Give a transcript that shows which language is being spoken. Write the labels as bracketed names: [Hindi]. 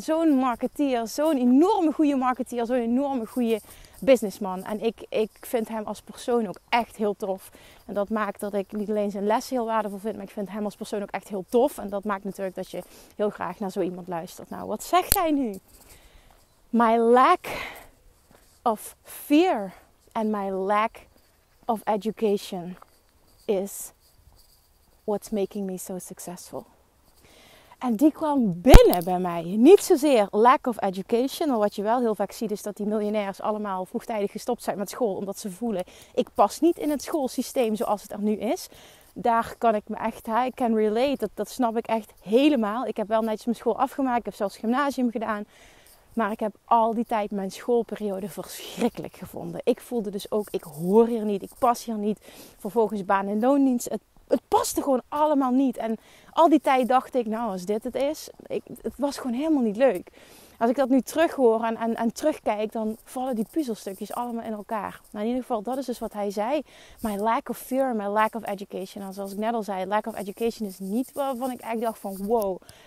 [Dutch] Zo'n marketeer, zo'n enorme goede marketeer, zo'n enorme goede businessman. En ik vind hem als persoon ook echt heel tof. En dat maakt dat ik niet alleen zijn lessen heel waardevol vind, maar ik vind hem als persoon ook echt heel tof. En dat maakt natuurlijk dat je heel graag naar zo iemand luistert. Nou, wat zegt hij nu? [English] My lack of fear and my lack of education is what's making me so successful. [Dutch] En die kwam binnen bij mij. Niet zozeer [English] lack of education. [Dutch] Maar wat je wel heel vaak ziet is dat die miljonairs allemaal vroegtijdig gestopt zijn met school. Omdat ze voelen, ik pas niet in het schoolsysteem zoals het er nu is. Daar kan ik me echt, [English] I can relate. [Dutch] Dat snap ik echt helemaal. Ik heb wel netjes mijn school afgemaakt. Ik heb zelfs gymnasium gedaan. Maar ik heb al die tijd mijn schoolperiode verschrikkelijk gevonden. Ik voelde dus ook, ik hoor hier niet. Ik pas hier niet. Vervolgens baan- en loondienst. Het paste gewoon allemaal niet. En al die tijd dacht ik, nou, als dit het is, het was gewoon helemaal niet leuk. Als ik dat nu terughoor en terugkijk, dan vallen die puzzelstukjes allemaal in elkaar. Nou, in ieder geval, dat is dus wat hij zei. [English] My lack of fear, my lack of education. [Dutch] En zoals ik net al zei, [English] lack of education [Dutch] is niet waarvan ik eigenlijk dacht van, wow.